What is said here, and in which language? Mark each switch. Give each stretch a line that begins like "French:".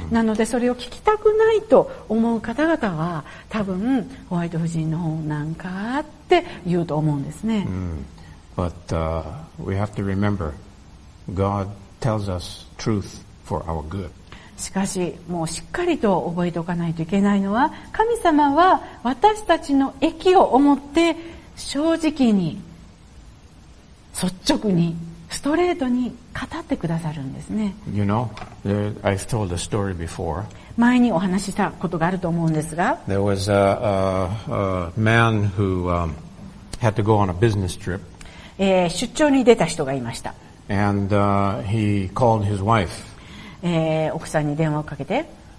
Japanese: なので、それを聞きたくないと思う方々は、多分、ホワイト夫人の方なんかって言うと思うんですね。
English: But, we have to remember, God tells us truth for our good.
Japanese: しかし、もうしっかりと覚えておかないといけないのは、神様は私たちの益を思って正直に、率直にストレートに語ってくださるんですね。
English: You know, I've told a story before.
Japanese: 前にお話ししたことがあると思うんですが、
English: There was a man who had to go on a business trip.
Japanese: 出張に出た人がいました。
English: And he called his wife.
Japanese: 奥さんに電話をかけて、